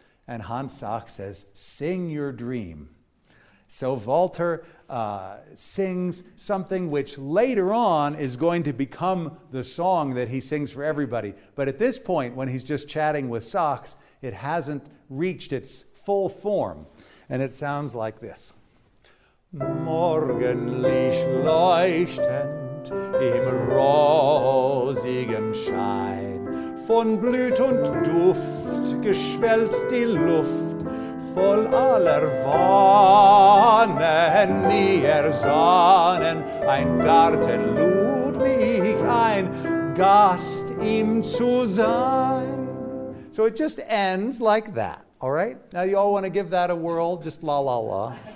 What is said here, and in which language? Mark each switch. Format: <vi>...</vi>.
<en>And Hans Sachs says, "Sing your dream." So Walter sings something which later on is going to become the song that he sings for everybody. But at this point, when he's just chatting with Sachs, it hasn't reached its full form. And it sounds like this.</en> <de>Morgenlich leuchtend im rosigem Schein, von Blüt und Duft geschwellt die Luft, voll aller Wonnen, nie ersonnen, ein Garten lud mich ein, Gast ihm zu sein.</de> <en>So it just ends like that, all right? Now you all want to give that a whirl, just la la la.</en>